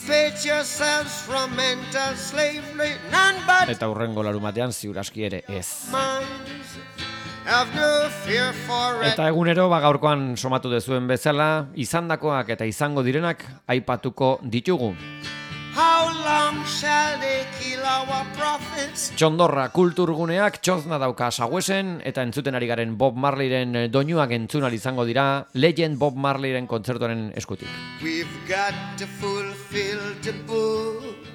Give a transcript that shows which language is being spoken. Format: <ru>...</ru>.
<eu>Eta hurrengo larumatean ziurazki ere, ez.</eu> <en>Have no fear for it.</en> <eu>Eta egunero, ba, gaurkoan somatu dezuen bezala, izandakoak eta izango direnak aipatuko ditugu.</eu> <en>How long shall they kill our prophets?</en> <eu>Txondorra kulturguneak txozna dauka Sagüesen, eta entzuten ari garen Bob Marleyren doinuak entzun ahal izango dira, Legend Bob Marleyren kontzertuaren eskutik.</eu> <en>We've got to fulfill the book.</en>